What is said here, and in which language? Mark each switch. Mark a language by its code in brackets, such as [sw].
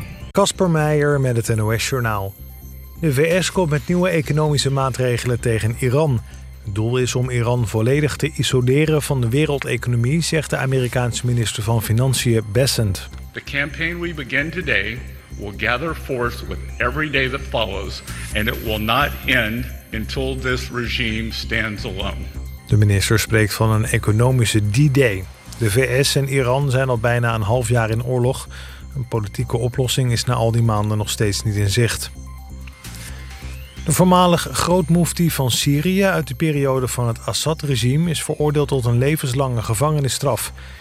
[nl] Casper Meijer met het NOS-journaal. De VS komt met nieuwe economische maatregelen tegen Iran. Het doel is om Iran volledig te isoleren van de wereldeconomie, zegt de Amerikaanse minister van Financiën Bessent. [en] The campaign we begin today will gather force with every day that follows, and it will not end until this regime stands alone. [nl] De minister spreekt van een economische D-Day. De VS en Iran zijn al bijna een half jaar in oorlog. Een politieke oplossing is na al die maanden nog steeds niet in zicht. De voormalig grootmoefti van Syrië uit de periode van het Assad-regime is veroordeeld tot een levenslange gevangenisstraf.